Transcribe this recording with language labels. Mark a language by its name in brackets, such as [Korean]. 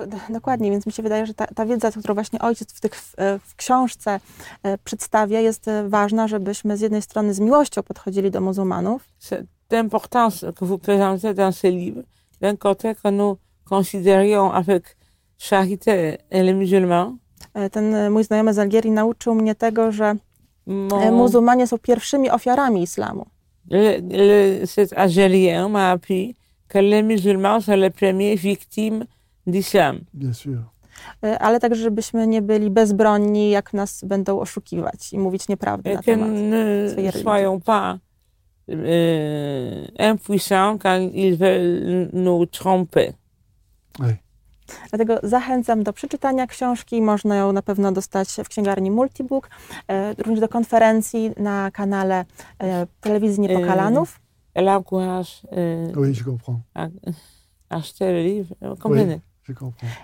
[Polish] Dokładnie, więc mi się wydaje, że ta wiedza, którą właśnie ojciec w książce przedstawia, jest ważna, żebyśmy z jednej strony z miłością podchodzili do muzułmanów. [French] C'est important que vous présentez dans ce livre, d'un côté que nous considérions avec charité les musulmans. [Polish] Ten mój znajomy z Algierii nauczył mnie tego, że muzułmanie są pierwszymi ofiarami islamu. [French] Cet Algérien m'a appris que les musulmans sont les premiers victimes. Bien sûr. [Polish] Ale także, żebyśmy nie byli bezbronni, jak nas będą oszukiwać i mówić nieprawdę na temat swojej religii. [French] Impuissant quand ils veulent nous tromper. Oui. [Polish] Dlatego zachęcam do przeczytania książki. Można ją na pewno dostać w księgarni Multibook, również do konferencji na kanale Telewizji Niepokalanów. Ela Gouache. [French] Oui, je comprends. Ach, cztery livre. Oui, je comprends.